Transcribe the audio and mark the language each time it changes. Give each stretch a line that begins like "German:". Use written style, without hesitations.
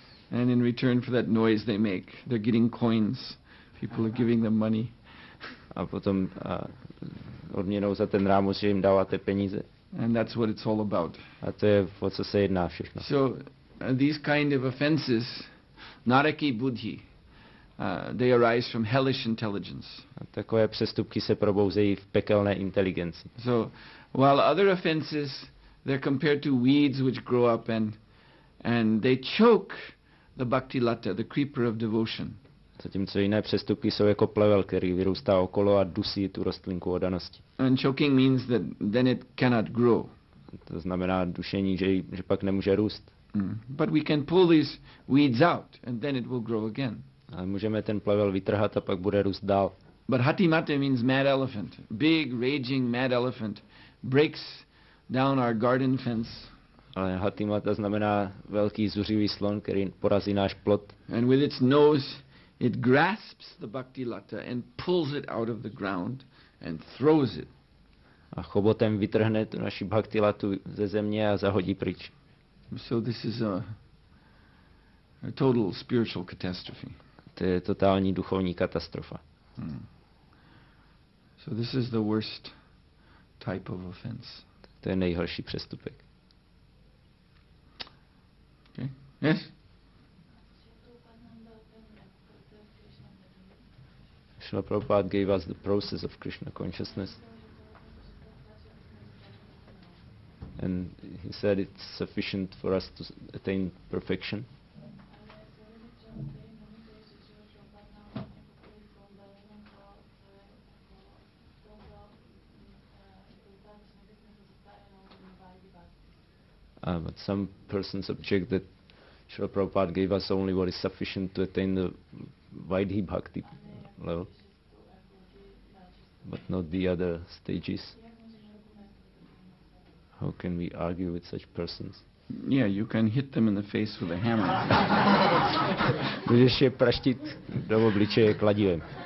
English: And in return for that noise they make, they're getting coins. People are giving them money.
Czech: A potom odměnou za ten rámus, že jim dáváte peníze.
English: And that's what it's all about.
Czech: A to je, o co se jedná všechno.
English: So these kind of offenses,
Sanskrit: naraki buddhi,
English: they arise from hellish intelligence.
Czech: A takové přestupky se probouzejí v pekelné inteligenci.
English: So while other offenses They're compared to weeds which grow up and they choke the bhakti lata, the creeper of devotion.
Czech: Zatímco jiné přestupky jsou jako plevel, který vyrůstá okolo a dusí tu rostlinku odanosti.
English: And choking means that then it cannot grow.
Czech: To znamená dušení, že pak nemůže růst.
English: But we can pull these weeds out and then it will grow again.
Czech: Ale můžeme ten plevel vytrhat a pak bude růst dál.
English: But hati mate means mad elephant. Big raging mad elephant breaks down our garden fence.
Czech: Ale hati mata znamená velký zuřivý slon, který porazí náš plot.
English: And with its nose it grasps the bhakti lata and pulls it out of the ground and throws it.
Czech: A chobotem vytrhne tu naši bhakti latu ze země a zahodí pryč.
English: So this is a total spiritual catastrophe.
Czech: To je totální duchovní katastrofa. Hmm.
English: So this is the worst type of offense.
Czech: To je nejhorší přestupek.
English: Okay. Yes. Srila Prabhupada gave us the process of Krishna consciousness. And he said it's sufficient for us to attain perfection. But some persons object that Srila Prabhupada gave us only what is sufficient to attain the Vaidhi Bhakti level, but not the other stages. How can we argue with such persons? Yeah, you can hit them in the face with a hammer.
Czech: Můžeš je praštit do obličeje kladivem.